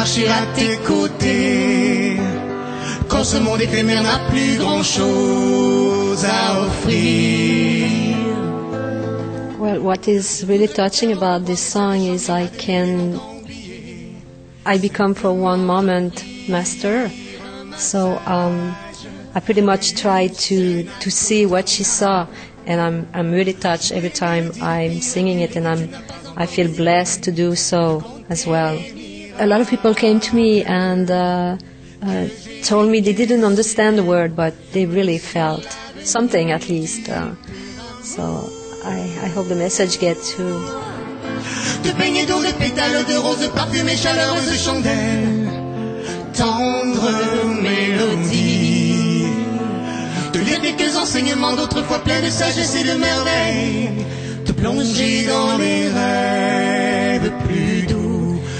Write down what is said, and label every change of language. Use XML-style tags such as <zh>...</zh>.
<fr>À tes côtés, quand ce monde éphémère n'a plus grand chose à offrir.</fr> <en>Well, what is really touching about this song is I become for one moment master. So I pretty much try to see what she saw, and I'm really touched every time I'm singing it, and I feel blessed to do so as well. A lot of people came to me and told me they didn't understand the word, but they really felt something at least. So I hope the message gets through.</en> <fr>De baigner dans les pétales de roses parfumées, chaleureuses chandelles, tendre mélodie. De lire quelques enseignements d'autrefois pleins de sagesse et de merveille, de plonger dans les rêves plus doux.</fr>